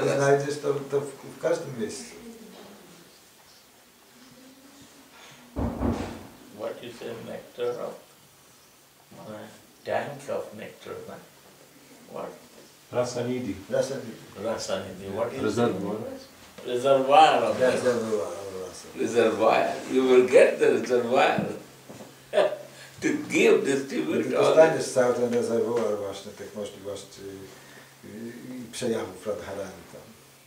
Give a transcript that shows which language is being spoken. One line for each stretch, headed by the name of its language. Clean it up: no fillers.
Polish: To znajdziesz to w każdym miejscu.
English: What is a nectar of tank of nectar? What? Rasanidhi. Rasanidhi. What is reservoir? Reservoir. Reservoir. Reservoir. You will get the reservoir to give, distribute.
Polish: Dostaniesz cały ten rezerwuar właśnie tych możliwości i przejawów Radharani tam.